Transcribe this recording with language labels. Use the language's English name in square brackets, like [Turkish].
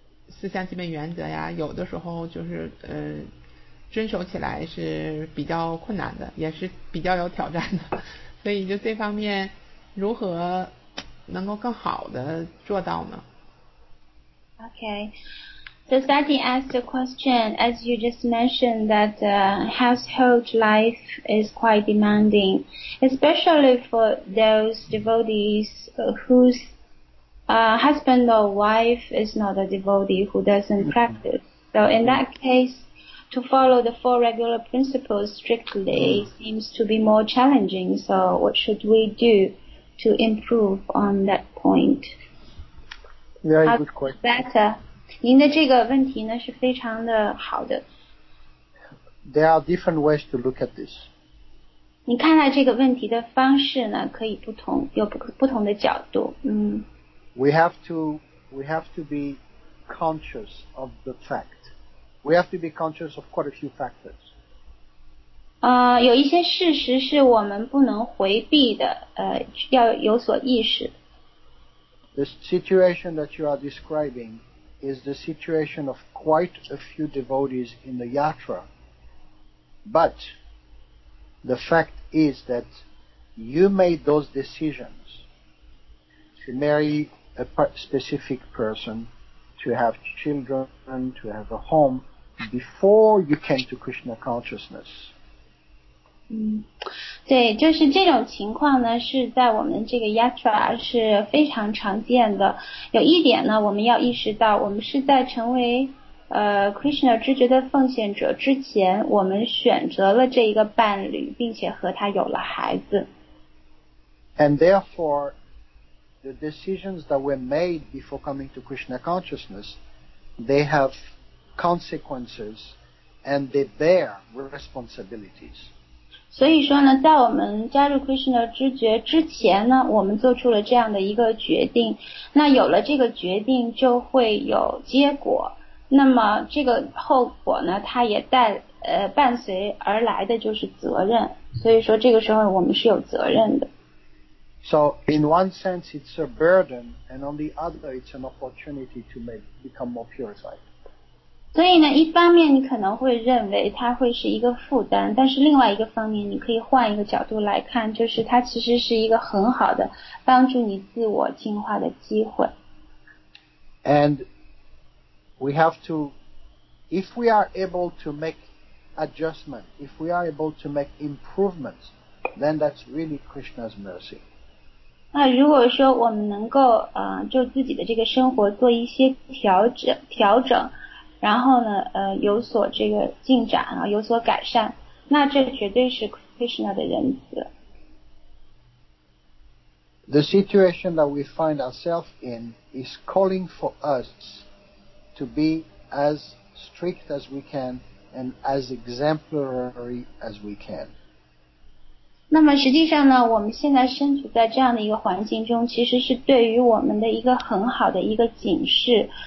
[Chinese] 四项基本原则呀，有的时候就是遵守起来是比较困难的，也是比较有挑战的，所以就这方面如何能够更好的做到呢？ [English] Okay. So Sati asked a question, as you just mentioned, that household life is quite demanding, especially for those devotees whose husband or wife is not a devotee who doesn't practice. So in that case, to follow the four regular principles strictly seems to be more challenging. So what should we do to improve on that point? Very good question. Better. [Chinese] 您的这个问题呢是非常的好的。 [English] There are different ways to look at this. [Chinese] 你看待这个问题的方式呢可以不同，有不同的角度。嗯。 [English] We have to be conscious of the fact. We have to be conscious of quite a few factors. [Chinese] 有一些事实是我们不能回避的，要有所意识。 [English] The situation that you are describing is the situation of quite a few devotees in the yatra. But the fact is that you made those decisions to marry a specific person, to have children, to have a home, before you came to Krishna consciousness. [Chinese] 对，就是这种情况呢，是在我们这个 yatra 是非常常见的。有一点呢，我们要意识到，我们是在成为Krishna 知觉的奉献者之前，我们选择了这一个伴侣，并且和他有了孩子。 [English] And therefore, the decisions that were made before coming to Krishna consciousness, they have consequences and they bear responsibilities. [Chinese] 所以说呢，在我们加入 Krishna 知觉之前呢，我们做出了这样的一个决定，那有了这个决定就会有结果，那么这个后果呢，它也伴随而来的就是责任，所以说这个时候我们是有责任的。 [English] So in one sense it's a burden and on the other it's an opportunity to become more purified. [Chinese] 所以呢，一方面你可能会认为它会是一个负担，但是另外一个方面，你可以换一个角度来看，就是它其实是一个很好的帮助你自我进化的机会。 [English] And we have to, if we are able to make adjustment, if we are able to make improvements, then that's really Krishna's mercy. [Chinese] 那如果说我们能够就自己的这个生活做一些调整。然后呢，有所这个进展啊，有所改善，那这绝对是 Krishna 的仁慈。 [English] The situation that we find ourselves in is calling for us to be as strict as we can and as exemplary as we can. [Chinese] 那么实际上呢，我们现在身处在这样的一个环境中，其实是对于我们的一个很好的一个警示。